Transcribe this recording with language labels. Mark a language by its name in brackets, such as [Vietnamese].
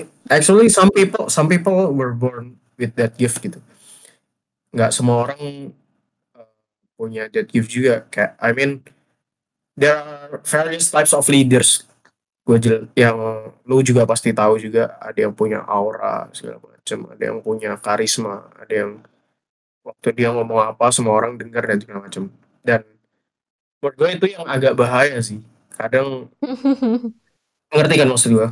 [English] Actually some people were born with that gift gitu. [Indonesian] Nggak semua orang punya [English] that gift [Indonesian] juga. [English] Kayak, I mean, there are various types of leaders. [Indonesian] Yang lu juga pasti tahu juga, ada yang punya aura segala macam, ada yang punya karisma, ada yang waktu dia ngomong apa semua orang dengar dan segala macam. Dan menurut gue itu yang agak bahaya sih. Kadang ngerti kan maksud gue?